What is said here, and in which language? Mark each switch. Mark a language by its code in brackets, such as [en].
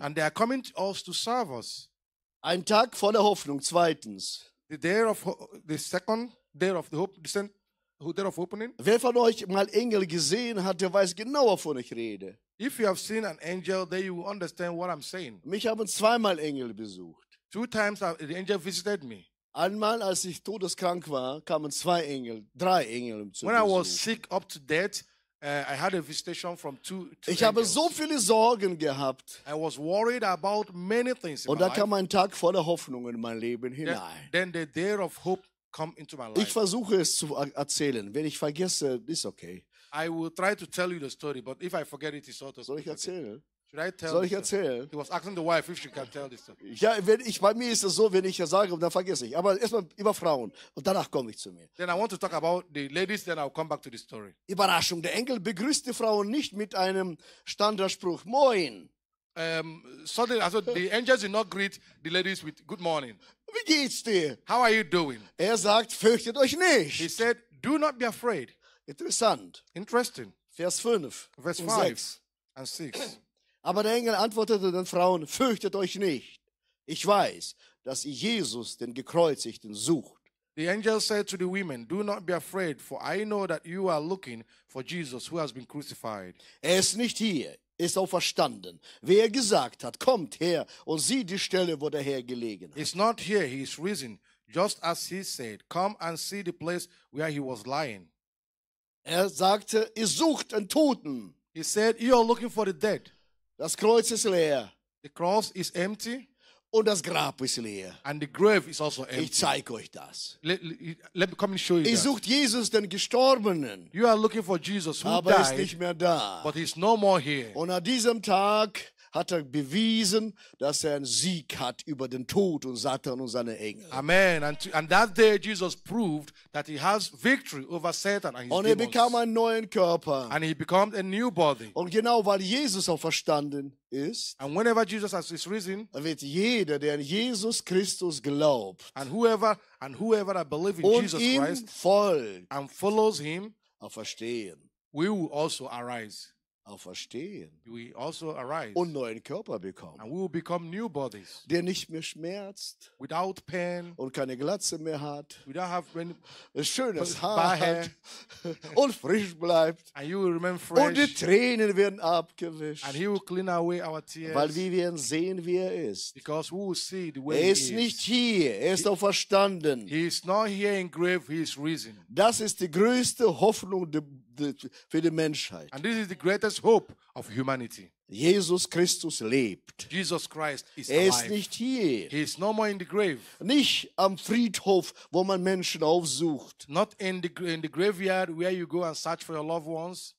[en] And they are coming to us to serve us. [de] Ein Tag voller Hoffnung, zweitens. [en] The day of the second day of the hope, the second day of opening. [de] Wer von euch mal Engel gesehen hat, der weiß genau, wovon ich rede. [en] If you have seen an angel, then you understand what I'm saying. [de] Mich haben zweimal Engel besucht. [en] Two times the angel visited me. [de] Einmal, als ich todeskrank war, kamen zwei Engel, drei Engel zu mir. [en] When I was sick up to death, I had a visitation from two [de] Ich [en] angels. [de] Habe so viele Sorgen gehabt. [en] I was worried about many things. [de] Und da kam ein Tag voller Hoffnung in mein Leben hinein. [en] Then the day of hope come into my life. [de] Ich versuche es zu erzählen. Wenn ich vergesse, ist okay. [en] I will try to tell you the story, but if I forget it, it's sort of. [de] Soll ich erzählen? [en] Should I tell? [de] Soll ich erzählen? [en] He was asking the wife if she can tell this story. [de] Ja, wenn ich bei mir ist es so, wenn ich es sage, dann vergesse ich. Aber erstmal über Frauen und danach komme ich zu mir. [en] Then I want to talk about the ladies. Then I'll come back to the story. [de] Überraschung: Der Engel begrüßt die Frauen nicht mit einem Standardspruch Moin. [en] Suddenly, also the angels do not greet the ladies with Good morning. [de] Wie geht's dir? [en] How are you doing? [de] Er sagt: Fürchtet euch nicht. [en] He said, "Do not be afraid." [de] Interessant. [en] Interesting. [de] Vers 5. Vers 5 und 6. Aber der Engel antwortete den Frauen, fürchtet euch nicht. Ich weiß, dass ihr Jesus, den Gekreuzigten, sucht. [en] The angel said to the women, do not be afraid, for I know that you are looking for Jesus, who has been crucified. [de] Er ist nicht hier, ist auferstanden. Wie er gesagt hat, kommt her und sieh die Stelle, wo der Herr gelegen hat. [en] He's not here, he is risen. Just as he said, come and see the place where he was lying. [de] Er sagte, ihr sucht den Toten. [en] He said, you are looking for the dead. [de] Das Kreuz ist leer. [en] The cross is empty. [de] Und das Grab ist leer. [en] And the grave is also empty. [de] Ich zeige euch das. [en] Let me come and show you [de] ihr [en] that. [de] Sucht Jesus, den Gestorbenen. [en] You are looking for Jesus, who [de] aber [en] died. [de] Aber ist nicht mehr da. [en] But he's no more here. [de] Und an diesem Tag hat er bewiesen, dass er einen Sieg hat über den Tod und Satan und seine Engel. Amen. [en] And that day Jesus proved that he has victory over Satan and his demons. [de] Und er bekam einen neuen Körper. [en] And he became a new body. [de] Und genau weil Jesus auferstanden ist, [en] and whenever Jesus has risen, [de] wird jeder, der an Jesus Christus glaubt, [en] and whoever I believe in Jesus Christ, [de] und ihm folgt, [en] and follows him, [de] auferstehen. [en] We will also arise. [de] Auferstehen. [en] We also arise. [de] Und neuen Körper bekommen. [en] And we will become new bodies. [de] Der nicht mehr schmerzt. [en] Without pain. [de] Und keine Glatze mehr hat. [en] Without have [de] ein schönes Haar hat. Und frisch bleibt. [en] And you will remain fresh. [de] Und die Tränen werden abgewischt. [en] And he will clean away our tears. [de] Weil wir werden sehen, wie er ist. [en] Because we will see the way [de] er ist nicht hier. Er ist auferstanden. [en] He is not here in grave. He is risen. [de] Das ist die größte Hoffnung für die Menschheit. [en] And this is the greatest hope of humanity. [de] Jesus Christus lebt. [en] Jesus Christ is alive. [de] Er ist [en] alive. [de] Nicht hier. [en] He is no more in the grave. [de] Nicht am Friedhof, wo man Menschen aufsucht. [en] Not in the graveyard where you go and search for your loved ones.